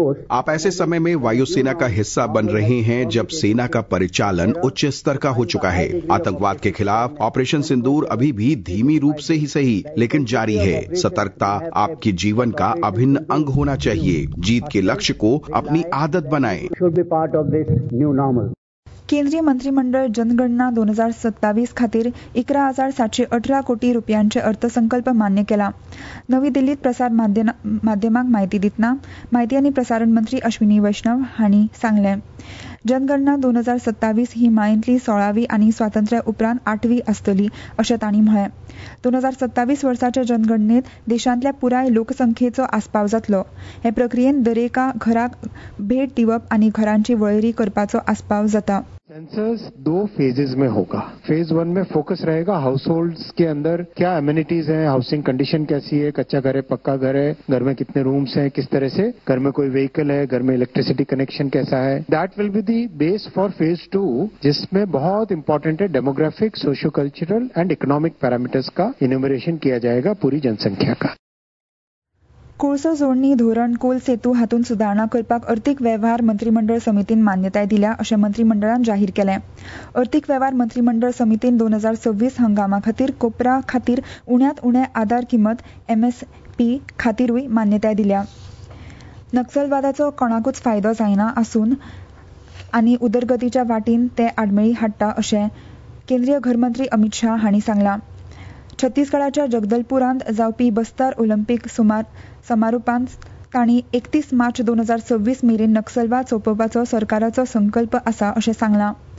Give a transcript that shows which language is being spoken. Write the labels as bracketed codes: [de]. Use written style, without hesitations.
[hi] आप ऐसे समय में वायुसेना का हिस्सा बन रहे हैं जब सेना का परिचालन उच्च स्तर का हो चुका है. आतंकवाद के खिलाफ ऑपरेशन सिंदूर अभी भी धीमी रूप से ही सही लेकिन जारी है. सतर्कता आपके जीवन का अभिन्न अंग होना चाहिए. जीत के लक्ष्य को अपनी आदत बनाएं. [gom] केंद्रीय मंत्रिमंडळ जनगणना 2027 खातीर 11,718 कोटी रुपयांचे अर्थसंकल्प मान्य केला. नवी दिल्लीत प्रसार माध्यमांक माहिती दितना माहिती आनी प्रसारण मंत्री अश्विनी वैष्णव हांणी सांगले. जनगणना 2027 ही मायेंतली 16वी आनी स्वातंत्र्या उपरांत 8वी आसतली अशें तांणी म्हळें. 2027 वर्साच्या जनगणनेत देशांतल्या पुराय लोकसंख्येचो आस्पाव जातलो. हे प्रक्रियेन दरेका घराक भेट दिवप आनी घरांची वळेरी करपाचो आस्पाव जाता. [hi] सेंसर्स दो फेजेस में होगा. फेज वन में फोकस रहेगा हाउसहोल्ड्स के अंदर क्या एमिनिटीज हैं, हाउसिंग कंडीशन कैसी है, कच्चा घर है, पक्का घर है, घर में कितने रूम्स हैं, किस तरह से घर में कोई व्हीकल है, घर में इलेक्ट्रिसिटी कनेक्शन कैसा है. [en] that will be the base for phase two [hi] जिसमें बहुत इंपॉर्टेंट है demographic, socio cultural and economic parameters का इन्यूमरेशन किया जाएगा पूरी जनसंख्या का. [gom] कोळसो जोडणी धोरण कोल सेतू हातून सुदारणा करपाक अर्थीक वेव्हार मंत्रीमंडळ समितीन मान्यताय दिल्या अशें मंत्रीमंडळान जाहीर केलें. अर्थीक वेव्हार मंत्रीमंडळ समितीन 2026 हंगामा खातीर कोपरा खातीर उण्यात उणे आधार किंमत MSP खातीरूय मान्यताय दिल्या. नक्सलवादाचो कोणाकूच फायदो जायना आसून आनी उदरगतीच्या वाटेन ते आडमेळी हाडटा अशें केंद्रीय घरमंत्री अमित शाह हांणी सांगलां. छत्तीसगडाच्या जगदलपुरांत जावपी बस्तार ओलंपिक समारोपांत तांणी 31 मार्च 2026 मेरेन नक्सलवाद सोपोवपाचो सरकाराचो संकल्प आसा अशें सांगलां.